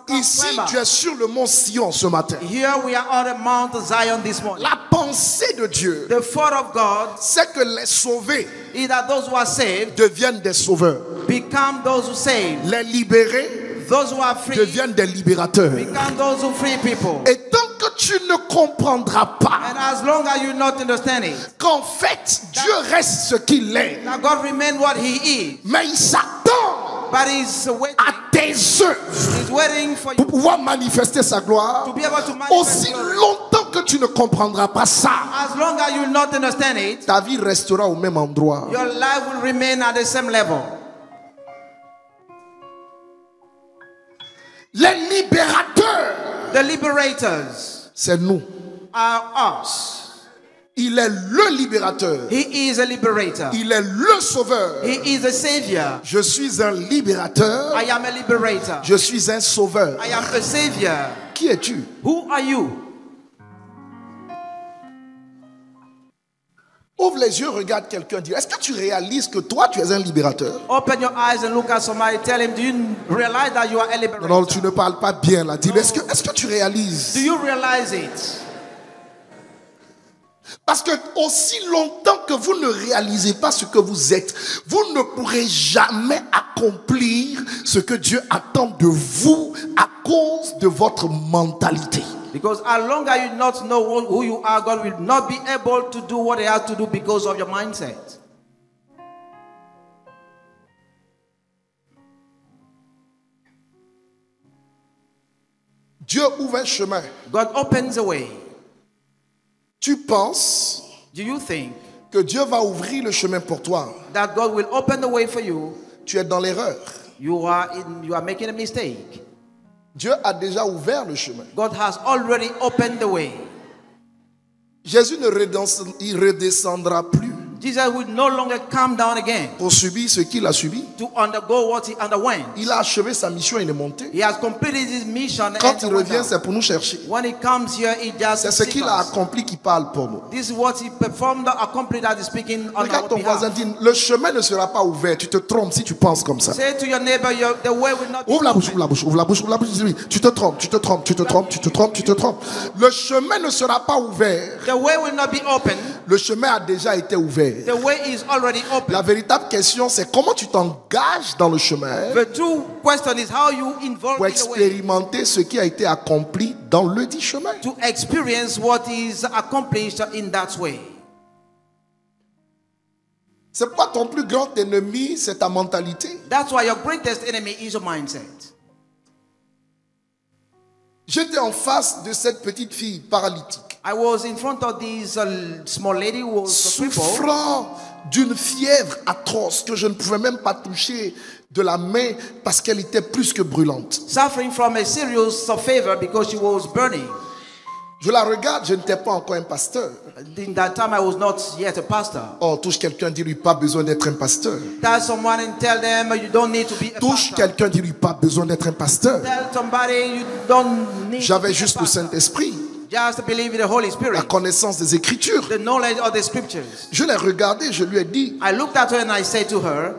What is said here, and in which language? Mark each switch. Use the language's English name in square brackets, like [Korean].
[French] Ici, tu es sur le mont Sion ce matin. [English] Here we are on the Mount Zion this morning. [French] La pensée de Dieu, [English] the thought of God, [French] c'est que les sauvés, [English] is that those who are saved, [French] deviennent des sauveurs. [English] Become those who saved. [French] Les libérés, [English] those who are free, [French] deviennent des libérateurs. [English] Become those who free people. [French] Et tant que tu ne comprendras pas, [English] and as long as you not understand it, [French] qu'en fait that, Dieu reste ce qu'il est, [English] that God remain what he is, [French] mais il s'attend, [English] but he's waiting, [French] à tes œuvres, [English] he's waiting for you, [French] pour pouvoir manifester sa gloire, [English] to be able to manifest [French] aussi longtemps que tu ne comprendras pas ça, [English] as long as you not understand it, [French] ta vie restera au même endroit, [English] your life will remain at the same level. [French] Les libérateurs, [English] the liberators, [French] c'est nous, [English] are us. [French] Il est le libérateur. [English] He is a liberator. [French] Il est le sauveur. [English] He is a savior. [French] Je suis un libérateur. [English] I am a liberator. [French] Je suis un sauveur. [English] I am a savior. [French] Qui es-tu? [English] Who are you? [French] Ouvre les yeux, regarde quelqu'un, dis, est-ce que tu réalises que toi tu es un libérateur? [English] Open your eyes and look at somebody, tell him, do you realize that you are a liberator? [French] Non, tu ne parles pas bien là. Dis, no. est-ce que tu réalises? [English] Do you realize it? [French] Parce que aussi longtemps que vous ne réalisez pas ce que vous êtes, vous ne pourrez jamais accomplir ce que Dieu attend de vous à cause de votre mentalité. [English] Because as long as you not know who you are, God will not be able to do what he has to do because of your mindset. [French] Dieu ouvre un chemin. [English] God opens a way. [French] Tu penses, [English] do you think, [French] que Dieu va ouvrir le chemin pour toi? [English] That God will open the way for you. [French] Tu es dans l'erreur. [English] You are making a mistake. [French] Dieu a déjà ouvert le chemin. [English] God has already opened the way. [French] Jésus ne redescendra plus. [English] Jesus will no longer come down again. [French] Pour subir ce qu'il a subi. [English] To undergo what he underwent. [French] Il a achevé sa mission, il est monté. [English] He has completed his mission. [French] Quand il revient, c'est pour nous chercher. [English] When he comes here, he just [French] c'est ce qu'il a accompli qui parle pour nous. [English] This is what he performed, accomplished, that is speaking on our behalf. [French] Regarde ton voisin, dit, le chemin ne sera pas ouvert. Tu te trompes si tu penses comme ça. [English] Say to your neighbor, the way will not be. [French] Ouvre la bouche, ouvre la bouche, ouvre la bouche, ouvre la bouche. Oui. Tu te trompes. Le chemin ne sera pas ouvert. [English] The way will not be open. [French] Le chemin a déjà été ouvert. [English] The way is already open. [French] La véritable question, c'est comment tu t'engages dans le chemin. [English] The true question is how you involve [French] pour expérimenter ce qui a été accompli dans le dit chemin. [English] To experience what is accomplished in that way. [French] C'est pas ton plus grand ennemi, c'est ta mentalité. [English] That's why your greatest enemy is your mindset. [French] J'étais en face de cette petite fille paralytique. [English] I was in front of this small lady who was [French] souffrant d'une fièvre atroce que je ne pouvais même pas toucher de la main parce qu'elle était plus que brûlante. [English] Suffering from a serious fever because she was burning. [French] Je la regarde, je n'étais pas encore un pasteur. [English] In that time, I was not yet a pastor. [French] Oh, touche quelqu'un, dis-lui pas besoin d'être un pasteur. [English] Tell someone and tell them you don't need to be a pastor. [French] Touche quelqu'un, dis-lui pas besoin d'être un pasteur. [English] Tell somebody you don't need to be a pastor. [French] J'avais juste le Saint-Esprit. [English] Just believe in the Holy Spirit. [French] La connaissance des Écritures. [English] The knowledge of the Scriptures. [French] Je l'ai regardé, je lui ai dit. [English] I looked at her and I said to her.